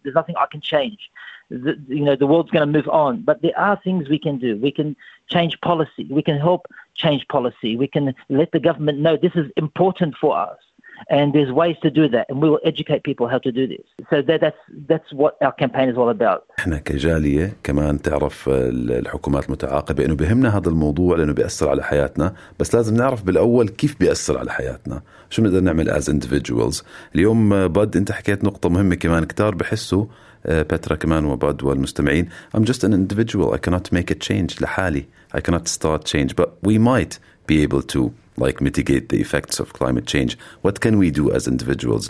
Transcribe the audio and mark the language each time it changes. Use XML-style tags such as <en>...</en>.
<en>There's nothing I can change. The world's going to move on. But there are things we can do. We can change policy. We can help change policy. We can let the government know this is important for us. And there's ways to do that, and we will educate people how to do this. So that's what our campaign is all about.</en> <ar>إحنا كجالية كمان تعرف الحكومات المتعاقبة إنه بهمنا هذا الموضوع لأنه بيأثر على حياتنا, بس لازم نعرف بالأول كيف بيأثر على حياتنا, شو بنقدر نعمل</ar> <en>as individuals.</en> <ar>اليوم بد أنت حكيت نقطة مهمة كمان كتار بحسه بترا كمان وبد والمستمعين,</ar> <en>I'm just an individual, I cannot make a change</en> <ar>لحالي,</ar> <en>I cannot start change, but we might be able to like mitigate the effects of climate change. What can we do as individuals?</en>